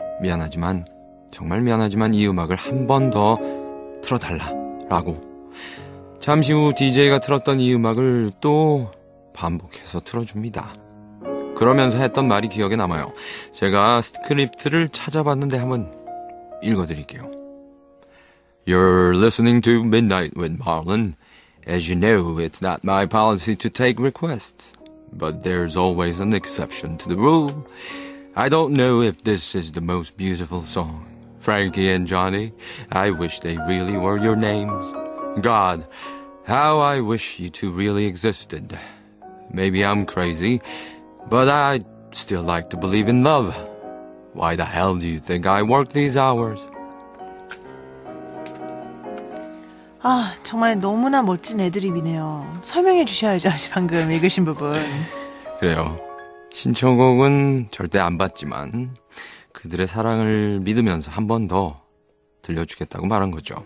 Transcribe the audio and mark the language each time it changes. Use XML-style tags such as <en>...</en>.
<ko>미안하지만 정말 미안하지만 이 음악을 한 번 더 틀어달라 라고 잠시 후 DJ가 틀었던 이 음악을 또 반복해서 틀어줍니다. 그러면서 했던 말이 기억에 남아요. 제가 스크립트를 찾아봤는데 한번 읽어드릴게요.</ko> <en>You're listening to Midnight with Marlon. As you know, it's not my policy to take requests. But there's always an exception to the rule. I don't know if this is the most beautiful song. Frankie and Johnny, I wish they really were your names. God, how I wish you two really existed. Maybe I'm crazy, but I'd still like to believe in love. Why the hell do you think I work these hours?</en> <ko>아, 정말 너무나 멋진 애드립이네요. 설명해 주셔야죠, 방금 읽으신 부분. 그래요. 신청곡은 절대 안 받지만 그들의 사랑을 믿으면서 한 번 더 들려주겠다고 말한 거죠.</ko>